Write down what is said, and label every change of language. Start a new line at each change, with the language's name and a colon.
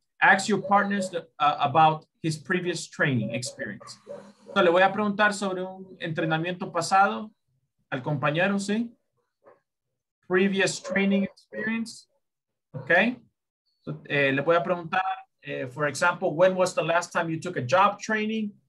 English: Ask your partners about his previous training experience.
Spanish: So, le voy a preguntar sobre un entrenamiento pasado al compañero, ¿sí?
English: Previous training experience, ok. So,
Spanish: le voy a preguntar,
English: for example, when was the last time you took a job training?